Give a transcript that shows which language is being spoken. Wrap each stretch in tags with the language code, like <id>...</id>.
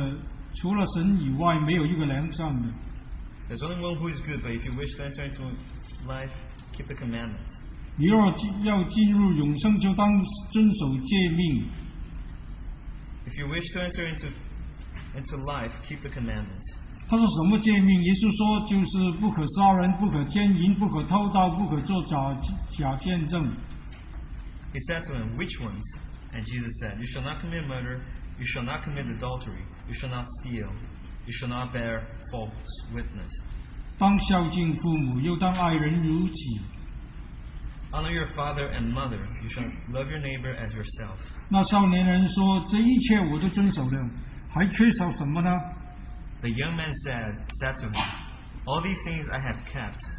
<zh>你为什么称我是良善的?除了神以外,没有一个良善的。</zh> <en>There's only one who is good, but if you wish to enter into life, keep the commandments.</en> <zh>你若要进入永生，就当遵守诫命。</zh> <en>If you wish to enter into life, keep the commandments.</en> <zh>他说什么诫命？耶稣说就是不可杀人，不可奸淫，不可偷盗，不可做假见证。</zh> <en>He said to him, Which ones? And Jesus said, You shall not commit murder, you shall not commit adultery, you shall not steal, you shall not bear false witness.</en> <zh>当孝敬父母，又当爱人如己。</zh> <en>Honor your father and mother. You shall love your neighbor as yourself.</en> <zh>那少年人说，这一切我都遵守了，还缺少什么呢？</zh> <en>The young man said to him, All these things I have kept.</en>